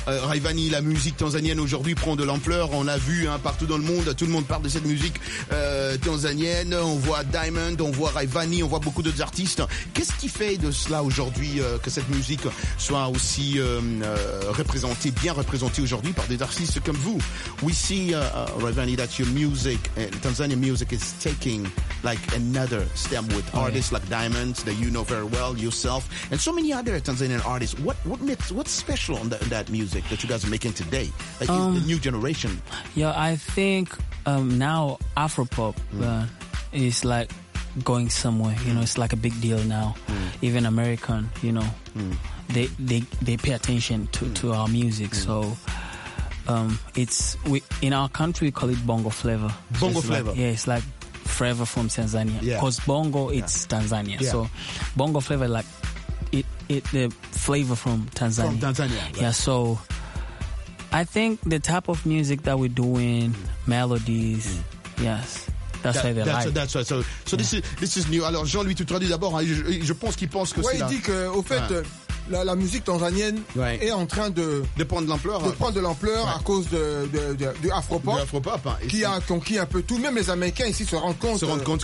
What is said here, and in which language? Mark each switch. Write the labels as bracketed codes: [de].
[fr] Rayvanny, la musique tanzanienne aujourd'hui prend de l'ampleur. On l'a vu partout dans le monde. Tout le monde parle de cette musique tanzanienne. On voit Diamond, on voit Rayvanny, on voit beaucoup d'autres artistes. Qu'est-ce qui fait de cela aujourd'hui que cette musique soit aussi représentée, bien représentée aujourd'hui par des artistes comme vous? [en] We see, Rayvanny, that your music, Tanzanian music, is taking like another step with artists like Diamond, that you know very well yourself, and so many other Tanzanian artists. What's special on that music that you guys are making today? Like the new generation? Yeah, I think now Afropop is like going somewhere. You know, it's like a big deal now. Even American, you know, they pay attention to our music. So in our country we call it bongo flavor. Bongo flavor. Like, it's like flavor from Tanzania. Because bongo it's Tanzania. So bongo flavor like it the flavor from Tanzania. From Tanzania. Yeah, so I think the type of music that we're doing, melodies, this is new. [fr] Alors Jean-Louis, tu traduis d'abord, je pense qu'il pense que il dit que au fait La musique tanzanienne est en train de prendre de l'ampleur. À cause de Afropop. Qui a conquis un peu tout. Même les Américains ici se rendent compte